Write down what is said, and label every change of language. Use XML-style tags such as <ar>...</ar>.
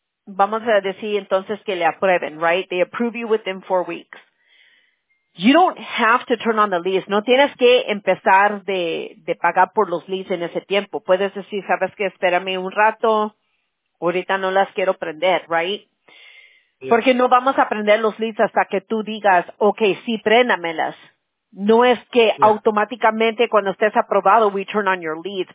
<es>Vamos a decir entonces que le aprueben,</es> <en>right? They approve you within 4 weeks. You don't have to turn on the lease.</en> <es>No tienes que empezar de pagar por los leases en ese tiempo. Puedes decir, sabes que espérame un rato. Ahorita no las quiero prender,</es> <en>right? Yeah.</en> <es>Porque no vamos a prender los leases hasta que tú digas, okay, sí, préndamelas. No es que automáticamente cuando estés aprobado,</es> <en>we turn on your lease.</en>